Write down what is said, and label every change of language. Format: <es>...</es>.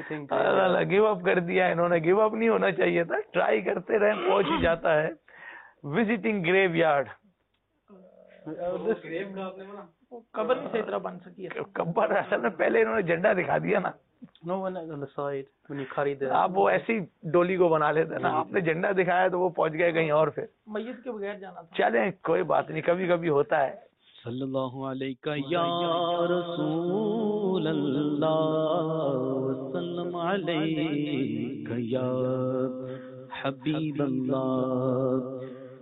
<ur>اللہ give up کر دیا انہوں نے. گیو اپ نہیں ہونا چاہیے تھا, ٹرائی کرتے رہے پہنچ ہی جاتا ہے.</ur> <en>Visiting graveyard.</en> <ur>قبر سے اتنا بن سکی ہے قبر. اصل میں پہلے انہوں نے جھنڈا دکھا دیا نا.</ur> <en>No one on the side when you carry that.</en> <ur>اب وہ ایسی ڈولی کو بنا لیتے نا, آپ نے جھنڈا دکھایا تو وہ پہنچ گئے کہیں اور. پھر میت کے بغیر جانا تھا. چلیں کوئی بات نہیں, کبھی کبھی ہوتا ہے. صلی اللہ علیہ یا رسول اللہ حبیب اللہ.</ur>